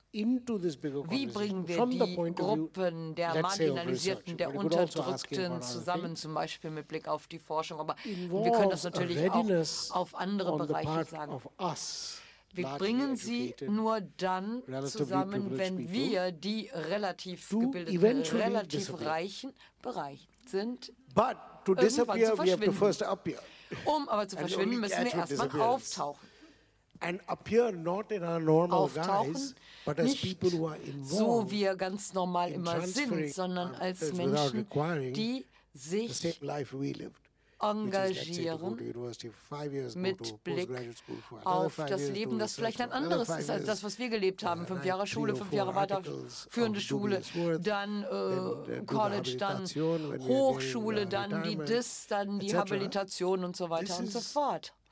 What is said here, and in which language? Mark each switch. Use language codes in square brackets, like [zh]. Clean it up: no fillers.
[de] Wie bringen wir die Gruppen der Marginalisierten, der Unterdrückten zusammen, zum Beispiel mit Blick auf die Forschung, aber wir können das natürlich auch auf andere Bereiche sagen. Wir bringen sie nur dann zusammen, wenn wir, die relativ gebildeten, relativ reichen Bereich sind, irgendwann zu verschwinden. Um aber zu verschwinden, müssen wir erstmal auftauchen. [en] And appear not in our normal guise, but as [de] nicht [en] people who are involved [de] so wir ganz normal immer sind, sondern als Menschen, die sich engagieren mit Blick auf das Leben, das vielleicht ein anderes ist als das, was wir gelebt haben. 5 Jahre Schule, 5 Jahre weiterführende Schule, dann College, dann Hochschule, dann die DIS, dann die Habilitation und so weiter und so fort.